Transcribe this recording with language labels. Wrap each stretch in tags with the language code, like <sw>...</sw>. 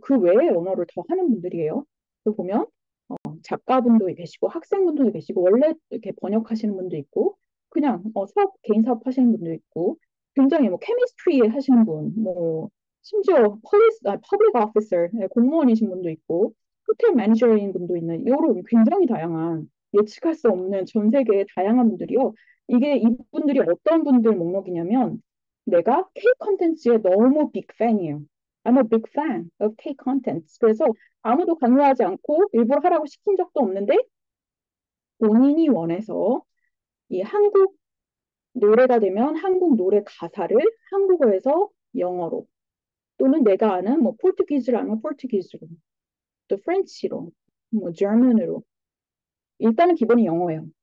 <ko>그 외에 영어를 더 하는 분들이에요. 또 보면 작가분도 계시고 학생분도 계시고 원래 이렇게 번역하시는 분도 있고 그냥 사업 개인 사업 하시는 분도 있고 굉장히 뭐 케미스트리 하시는 분뭐 심지어 퍼블릭 오피서 공무원이신 분도 있고 호텔 매니저인 분도 있는 이런 굉장히 다양한 예측할 수 없는 전 세계의 다양한 분들이요. 이게 이분들이 어떤 분들 목록이냐면 내가 K 콘텐츠에 너무 빅 팬이에요.</ko> <en>I'm a big fan of K contents.</en> <ko>그래서 아무도 강요하지 않고 일부러 하라고 시킨 적도 없는데 본인이 원해서 이 한국 노래가 되면 한국 노래 가사를 한국어에서 영어로 또는 내가 아는 뭐 포르투기즈라면 포르투기즈로 또 프렌치로 뭐 German으로 일단은 기본이 영어예요.</ko>